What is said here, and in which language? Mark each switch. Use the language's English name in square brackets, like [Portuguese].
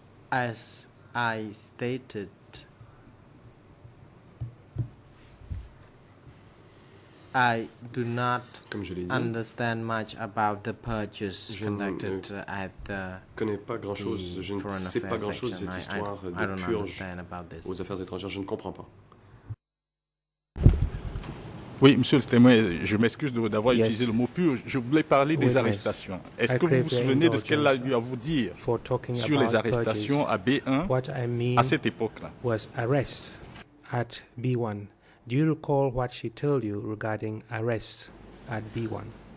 [English] As I stated, I do not understand much about the purges conducted at the. [French] Je ne sais pas grand chose de cette histoire de purge aux affaires étrangères. Je ne comprends pas. Oui, monsieur le témoin, je m'excuse d'avoir utilisé le mot purge. Je voulais parler des arrestations. Est-ce que vous vous souvenez de ce qu'elle a eu à vous dire sur les arrestations à B1 à cette époque-là? [English] Was arrests at B1. Do you recall what she told you regarding arrests at B1?